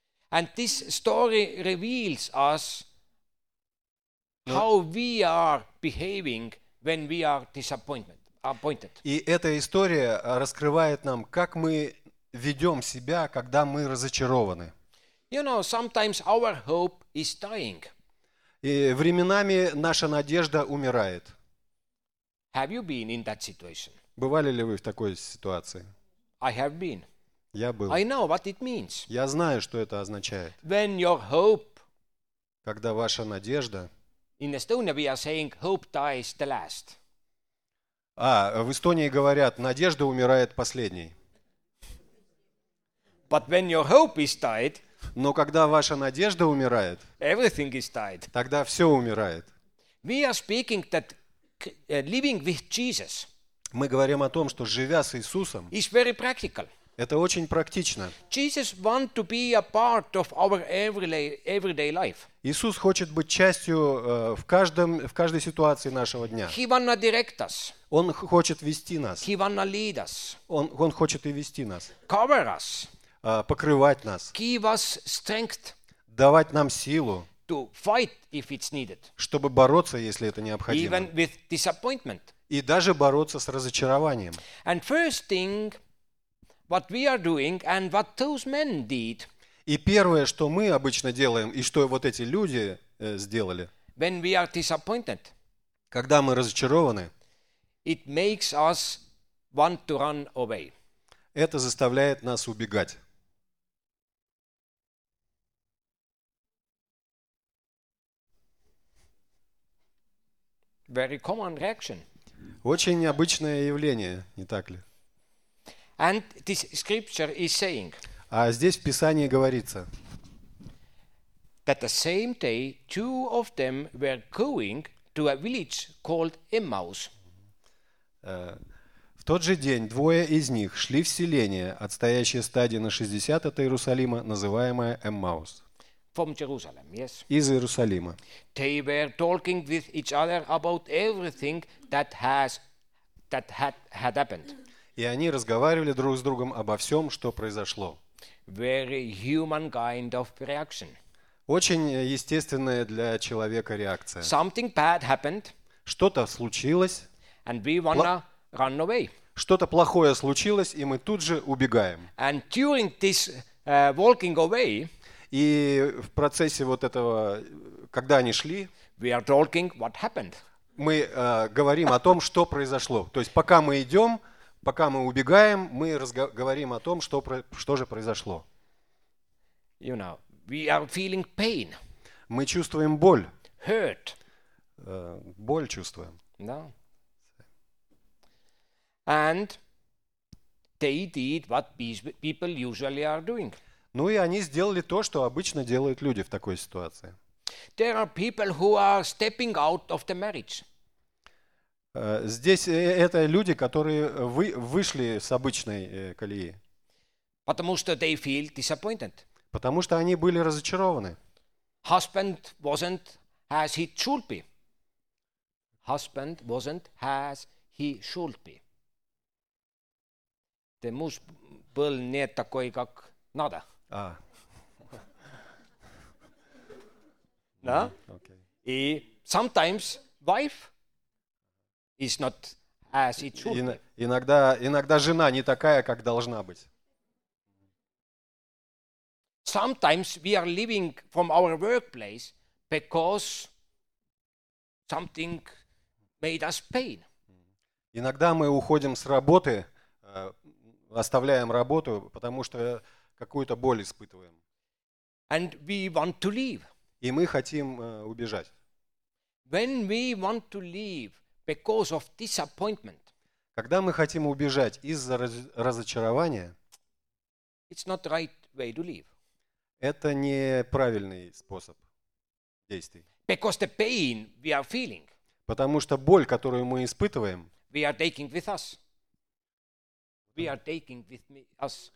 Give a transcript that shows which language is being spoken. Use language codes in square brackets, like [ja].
[en] And this story reveals us how we are behaving when we are disappointed. [ru] И эта история раскрывает нам, как мы ведем себя, когда мы разочарованы. [en] You know, sometimes our hope is dying. [ru] И временами наша надежда умирает. [en] Have you been in that situation? [ru] Бывали ли вы в такой ситуации? [en] I have been. [ru] Я был. [en] I know what it means. [ru] Я знаю, что это означает. [en] When your hope, [ru] когда ваша надежда. [en] In Estonia we are saying hope dies the last. [ru] А в Эстонии говорят, надежда умирает последней. [en] But when your hope is died. [ru] Но когда ваша надежда умирает, [en] everything is died. [ru] Тогда все умирает. [en] We are speaking that living with Jesus. [ru] Мы говорим о том, что живя с Иисусом, [en] is very practical. [ru] Это очень практично. [en] Jesus want to be a part of our everyday life. [ru] Иисус хочет быть частью в каждой ситуации нашего дня. [en] He wanna direct us. [ru] Он хочет вести нас. [en] He wanna lead us. [ru] Он хочет и вести нас. [en] Cover us. [ru] Покрывать нас. [en] Give us strength. [ru] Давать нам силу. [en] To fight if it's needed. [ru] Чтобы бороться, если это необходимо. [en] Even with disappointment. [ru] И даже бороться с разочарованием. [en] And first thing, what we are doing and what those men did. [ru] И первое, что мы обычно делаем и что вот эти люди сделали. [en] When we are disappointed. [ru] Когда мы разочарованы. [en] It makes us want to run away. [ru] Это заставляет нас убегать. [en] Very common reaction. [ru] Очень необычное явление, не так ли? [en] And this scripture is saying. [ru] А здесь в Писании говорится. [en] That the same day two of them were going to a village called Emmaus. [ru] В тот же день двое из них шли в селение, отстоящее стадии на 60 от Иерусалима, называемое Эммаус. [en] From Jerusalem, yes. [ru] Из Иерусалима. [en] They were talking with each other about everything that had happened. [ru] И они разговаривали друг с другом обо всем, что произошло. [en] Very human kind of reaction. [ru] Очень естественная для человека реакция. [en] Something bad happened. [ru] Что-то случилось. [en] And we wanna run away. [ru] Что-то плохое случилось, и мы тут же убегаем. [en] And during this walking away. [ru] И в процессе вот этого, когда они шли. [en] We are talking what happened. [ru] Мы говорим о том, что произошло. То есть пока мы идем, пока мы убегаем, мы говорим о том, что же произошло. [en] You know, we are feeling pain. [ru] Мы чувствуем боль. [en] Hurt. [ru] Боль чувствуем. [en] No. And they did what people usually are doing. [ru] Ну и они сделали то, что обычно делают люди в такой ситуации. [en] There are people who are stepping out of the marriage. [ru] Здесь это люди, которые вышли с обычной колеи. Потому что [en] they feel disappointed. [ru] Потому что они были разочарованы. [en] Husband wasn't as he should be. Husband wasn't as he should be. [ru] Ты муж был не такой, как надо. А. Да? [en] Okay. И sometimes wife is not as it should be. [ru] Иногда жена не такая, как должна быть. [en] Sometimes we are leaving from our workplace because something made us pain. [ru] Иногда мы уходим с работы, оставляем работу, потому что какую-то боль испытываем. [en] And we want to leave. [ru] И мы хотим убежать. [en] When we want to leave because of disappointment. [ru] Когда мы хотим убежать из-за разочарования, [en] it's not right way to leave. [ru] Это неправильный способ действий. [en] Because the pain we are feeling. [ru] Потому что боль, которую мы испытываем, [en] we are taking with us. We are taking with us.